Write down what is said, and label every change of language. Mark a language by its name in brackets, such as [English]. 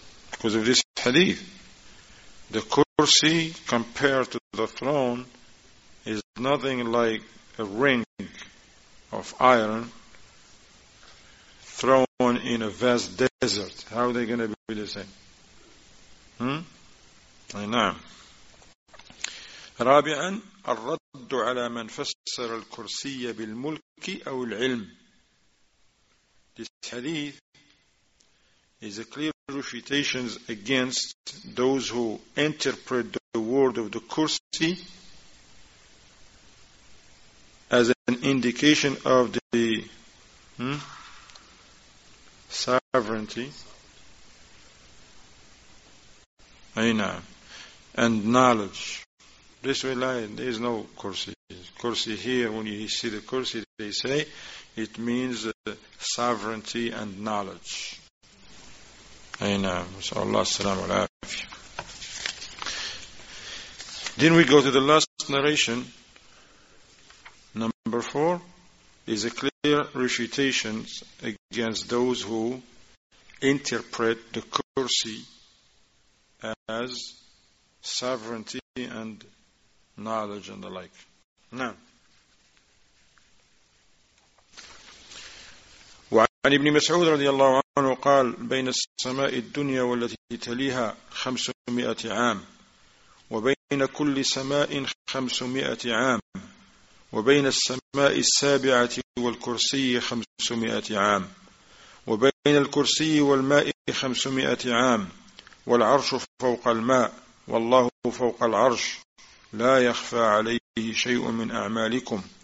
[English] Because of this hadith, the kursi compared to the throne is nothing like a ring of iron thrown in a vast desert. How are they going to be the same? [Arabic] نعم. رابعا الرد على من فسر الكرسي بالملك أو العلم. [English] This hadith is a clear refutation against those who interpret the word of the kursi as an indication of the sovereignty. Aina. And knowledge. This way, there is no kursi. Kursi here, when you see the kursi, they say it means sovereignty and knowledge. Aina. Masha'Allah, salam alaikum. Then we go to the last narration. Number four is a clear refutation against those who interpret the kursi as sovereignty and knowledge and the like. Now, [Arabic] وعن ابن مسعود رضي الله عنه قال بين السماء الدنيا والتي تليها 500 عام وبين كل سماء 500 عام وبين السماء السابعة والكرسي 500 عام وبين الكرسي والماء 500 عام والعرش فوق الماء والله فوق العرش لا يخفى عليه شيء من أعمالكم.